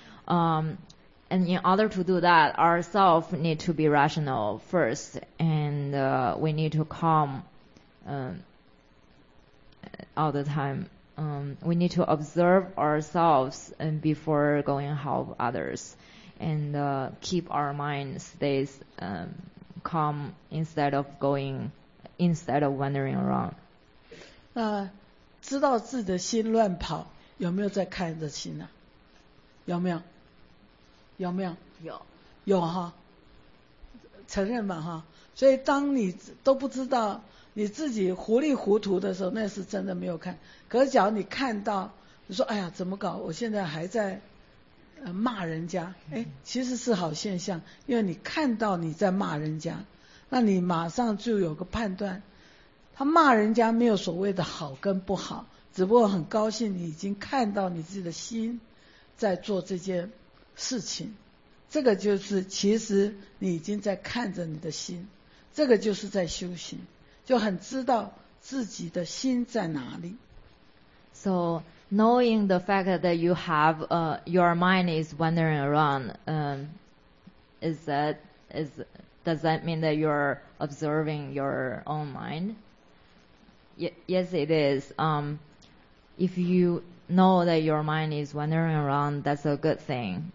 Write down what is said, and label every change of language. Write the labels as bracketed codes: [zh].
[en] And in order to do that, ourselves need to be rational first, and we need to calm all the time. We need to observe ourselves and before going help others, and keep our mind stays calm instead of wandering around. [zh] 知道自己的心乱跑，有没有在看着心呢？有没有？有没有？有，有哈，承认吧哈。所以当你都不知道你自己糊里糊涂的时候，那是真的没有看。可是假如你看到，你说哎呀怎么搞，我现在还在骂人家，哎，其实是好现象，因为你看到你在骂人家，那你马上就有个判断，他骂人家没有所谓的好跟不好，只不过很高兴你已经看到你自己的心在做这件事情，这个就是其实你已经在看着你的心，这个就是在修行，就很知道自己的心在哪里。 [en] So knowing the fact that you have your mind is wandering around, does that mean that you're observing your own mind? Yes, it is. If you know that your mind is wandering around, that's a good thing.